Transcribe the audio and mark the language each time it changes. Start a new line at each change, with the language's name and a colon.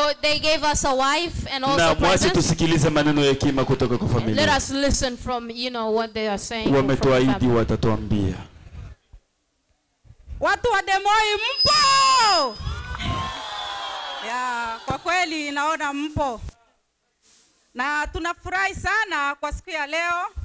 English: They gave us a wife and also presents.
Swahili: Na mwache tusikilize maneno ya kima kutoka kwa familia.
English: Let us listen from, you know, what they are saying.
Swahili: Wametuahidi watatuambia. Watu wa Demoi mpo! Yeah, kwa kweli naona mpo. Na tunafurahi sana kwa siku ya leo.